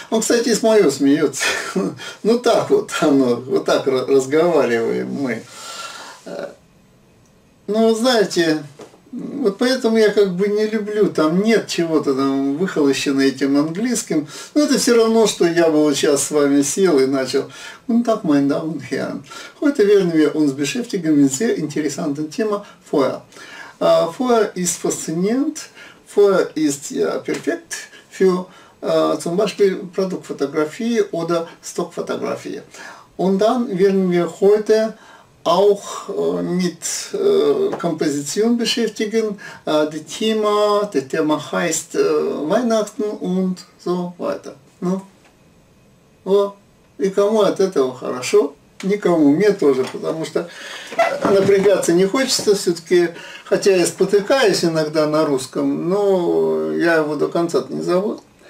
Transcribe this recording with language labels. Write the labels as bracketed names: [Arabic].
[Russian] Он, кстати, и с моего смеется. Ну так вот оно, вот так разговариваем мы. Ну, знаете, вот поэтому я как бы не люблю, там нет чего-то там выхолощено этим английским. Но это все равно, что я бы вот сейчас с вами сел и начал. Ну, так, [German] mein Damen und Herren. Heute werden wir uns beschäftigen mit sehr interessanten Thema Feuer. Feuer ist faszinierend. Feuer ist ja perfekt für zum Beispiel Produktfotografie oder Stockfotografie. Und dann werden wir heute auch mit Komposition beschäftigen. Das Thema heißt Weihnachten und so weiter. [Russian] Ну, о, и кому от этого хорошо? Никому, мне тоже, потому что напрягаться не хочется все-таки, хотя я спотыкаюсь иногда на русском, но я его до конца не забыл.